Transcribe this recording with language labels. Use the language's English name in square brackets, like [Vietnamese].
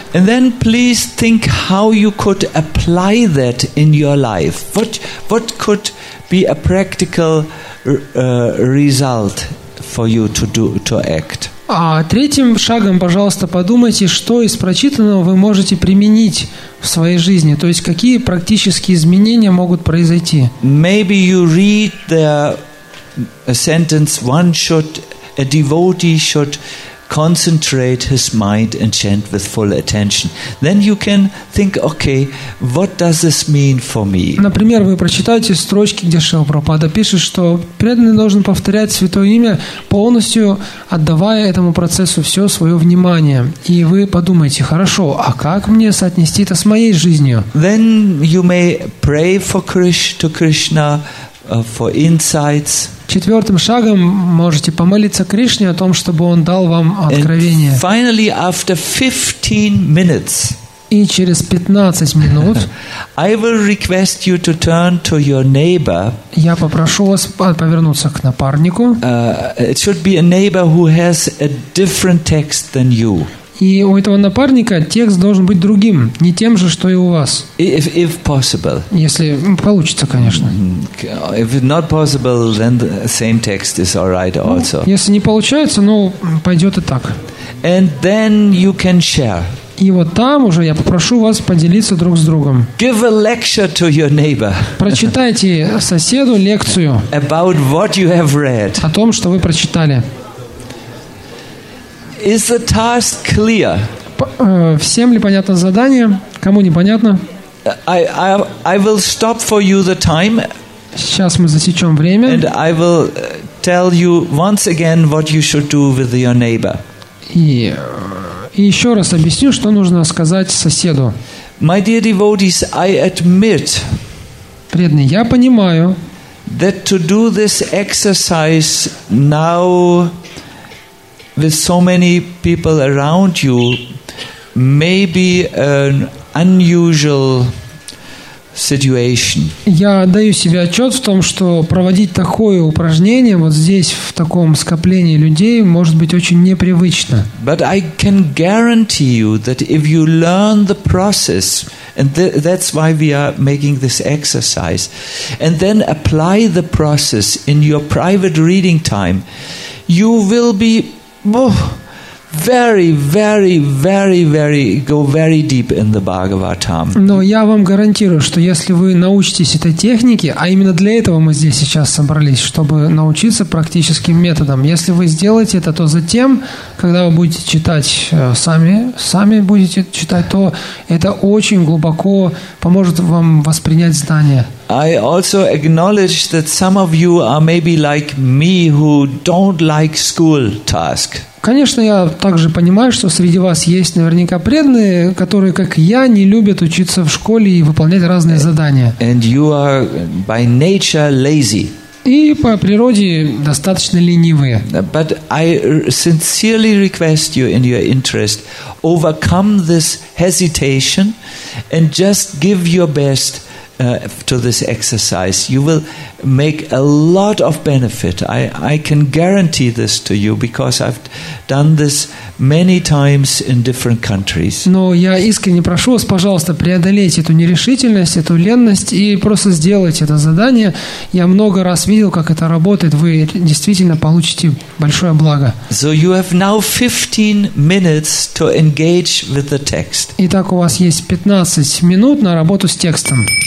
[English] And then please think how you could apply that in your life. What could be a practical result for you to do, to act. [Russian] А третьим шагом, пожалуйста, подумайте, что из прочитанного вы можете применить в своей жизни, то есть какие практические изменения могут произойти. [English] Maybe you read the sentence one should, a devotee should concentrate his mind and chant with full attention. Then you can think, okay, what does this mean for me? [Russian] Например, вы прочитаете строчки, где Шрила Прабхупада пишет, что преданный должен повторять святое имя, полностью отдавая этому процессу все свое внимание. И вы подумаете, хорошо, а как мне соотнести это с моей жизнью? [English] Then you may pray for Krishna for insights. [Russian] Четвертым шагом можете помолиться Кришне о том, чтобы он дал вам откровение. [English] Finally, after 15 minutes, [Russian] и через 15 минут [English] I will request you to turn to your neighbor. [Russian] Я попрошу вас повернуться к напарнику. [English] It should be a neighbor who has a different text than you. [Russian] И у этого напарника текст должен быть другим, не тем же, что и у вас. [English] If possible. [Russian] Если получится, конечно. [English] If not possible, then the same text is all right also. [Russian] Ну, если не получается, ну, пойдет и так. [English] And then you can share. [Russian] И вот там уже я попрошу вас поделиться друг с другом. [English] Give a lecture to your neighbor. [Russian] Прочитайте соседу лекцию. [English] About what you have read. [Russian] О том, что вы прочитали. [English] Is the task clear? [Russian] Всем ли понятно задание? Кому непонятно? [English] I will stop for you the time. [Russian] Сейчас мы засечем время. [English] And I will tell you once again what you should do with your neighbor. [Russian] И еще раз объясню, что нужно сказать соседу. [English] My dear devotees, I admit. [Russian] Преданный, я понимаю. [English] That to do this exercise now with so many people around you may be an unusual situation. [Russian] Я даю себе отчет в том, что проводить такое упражнение вот здесь, в таком скоплении людей, может быть очень непривычно. [English] But I can guarantee you that if you learn the process, and that's why we are making this exercise, and then apply the process in your private reading time, you will be very, very, very, very, go very deep in the Bhagavatam. [Russian] Но я вам гарантирую, что если вы научитесь этой технике, а именно для этого мы здесь сейчас собрались, чтобы научиться практическим методам, если вы сделаете это, то затем, когда вы будете читать сами будете читать, то это очень глубоко поможет вам воспринять знания. [English] I also acknowledge that some of you are maybe like me who don't like school task. [Russian] Конечно, я также понимаю, что среди вас есть наверняка преданные, которые, как я, не любят учиться в школе и выполнять разные задания. [English] And you are by nature lazy. [Russian] И по природе достаточно ленивые. [English] But I sincerely request you in your interest overcome this hesitation and just give your best to this exercise, you will make a lot of benefit. I can guarantee this to you because I've done this many times in different countries. [Russian] Но я искренне прошу вас, пожалуйста, преодолеть эту нерешительность, эту ленность и просто сделать это задание. Я много раз видел, как это работает. Вы действительно получите большое благо. [English] So you have now 15 minutes to engage with the text. [Russian] Итак, у вас есть 15 минут на работу с текстом.